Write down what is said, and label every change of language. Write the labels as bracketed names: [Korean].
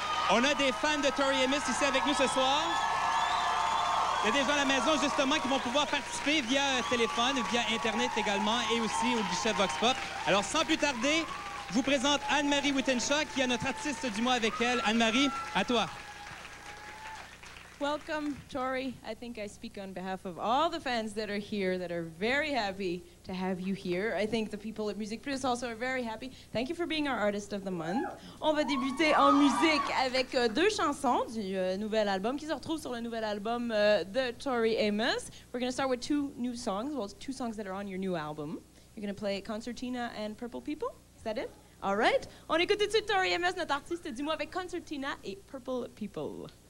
[French] On a des fans de Tori Amos ici avec nous ce soir. Il y a des gens à la maison, justement, qui vont pouvoir participer via téléphone, via Internet également, et aussi au guichet Vox Pop. Alors, sans plus tarder, je vous présente Anne-Marie Wittenshaw, qui est notre artiste du mois avec elle. Anne-Marie, à toi. [English] Welcome, Tori. I think I speak on behalf of all the fans that are here that are very happy to have you here. I think the people at Musique Plus also are very happy. Thank you for being our artist of the month. [French] On va débuter en musique avec deux chansons du nouvel album qui se retrouve sur le nouvel album de Tori Amos. [English] We're going to start with two new songs, well, two songs that are on your new album. You're going to play Concertina and Purple People. Is that it? All right. [French] On écoute tout de suite Tori Amos, notre artiste du mois avec Concertina et Purple People.